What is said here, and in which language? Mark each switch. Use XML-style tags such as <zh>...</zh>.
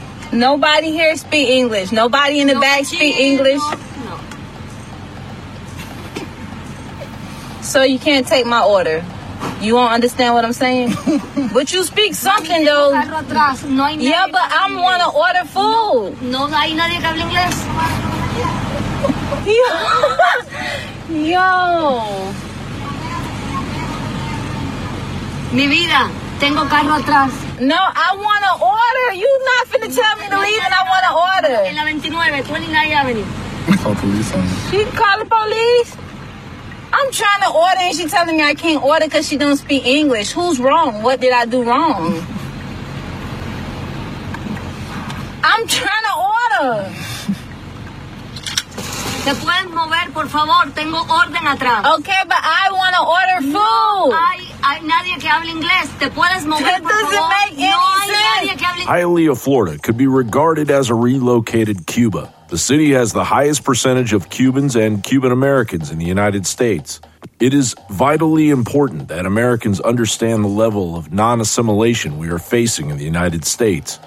<en>Nobody here speak English. Nobody in the no, back speak English. So you can't take my order. You won't understand what I'm saying? But you speak something, though. Yeah, but I'm want to order food.</en> <es>No, no hay nadie que hable inglés. Yo. Mi vida, tengo carro atrás.</es> <en>No, I want to order. You not finna tell me to leave and I want to order.</en> <es>En la 29, 29 Avenue.</es> <en>Call police on me. She call the police? I'm trying to order and she's telling me I can't order because she don't speak English. Who's wrong? What did I do wrong? I'm trying to order.</en> <es>Te puedes mover, por favor. Tengo orden atrás.</es> <en>Okay, but I want to order food.</en> <es>No hay nadie que hable inglés. Te puedes mover, por favor.</es> <en>That doesn't make any sense. Hialeah, Florida could be regarded as a relocated Cuba. The city has the highest percentage of Cubans and Cuban Americans in the United States. It is vitally important that Americans understand the level of non-assimilation we are facing in the United States.</en>